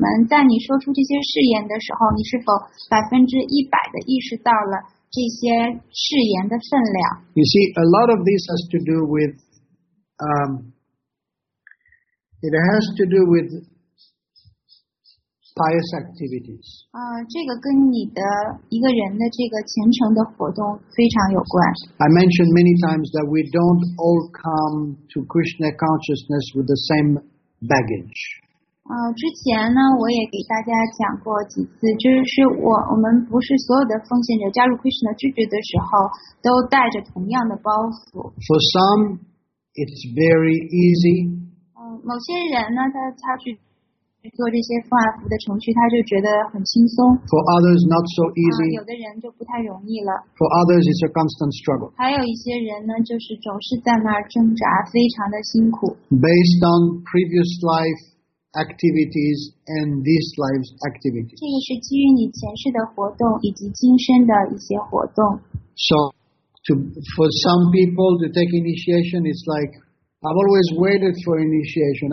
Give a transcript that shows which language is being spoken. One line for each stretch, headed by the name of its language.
Chinese: 我不知道呢，就是立誓的这些奉献者们，在你说出这些誓言的时候， 你是否100%的意识到了这些誓言的分量？
English: You see, a lot of this has to do with, it has to do with pious activities.
Chinese: 这个跟你的一个人的这个虔诚的活动非常有关。
English: I mentioned many times that we don't all come to Krishna consciousness with the same baggage.
Chinese: 之前呢，我也给大家讲过几次，就是我们不是所有的奉献者加入 Krishna 支持的时候都带着同样的包袱。For
English: some, it's very easy.
Chinese: 某些人呢，他去 做这些复杂的程序，他就觉得很轻松。
English: For others, not so easy.
Chinese: 有的人就不太容易了。
English: For others, it's a constant struggle.
Chinese: 还有一些人呢，就是总是在那儿挣扎，非常的辛苦。
English: Based on previous life activities and this life's activities.
Chinese: 这个是基于你前世的活动以及今生的一些活动。
English: So, for some people to take initiation, it's like I've always waited for initiation.